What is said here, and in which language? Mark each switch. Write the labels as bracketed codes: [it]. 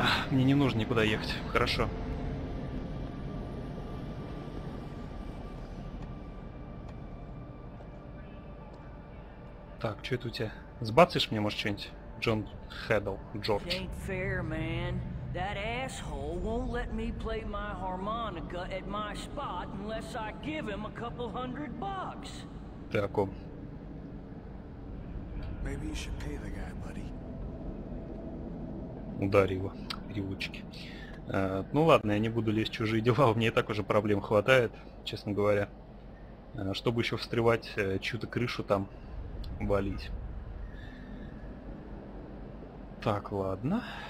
[ru] Мне не нужно никуда ехать. Хорошо. Так, что это у тебя? Сбацаешь мне, может, что-нибудь? Джон Хэддл, Джордж. [en] Ain't fair, man. That asshole won't let me play my harmonica at my spot unless I give him a couple hundred bucks. [ru] Так, он. [en] Maybe you should pay the guy, buddy. [ru] Ударь его, переводчики. Ну ладно, я не буду лезть в чужие дела, у меня и так уже проблем хватает, честно говоря. Чтобы еще встревать, чью-то крышу там валить. Так, ладно.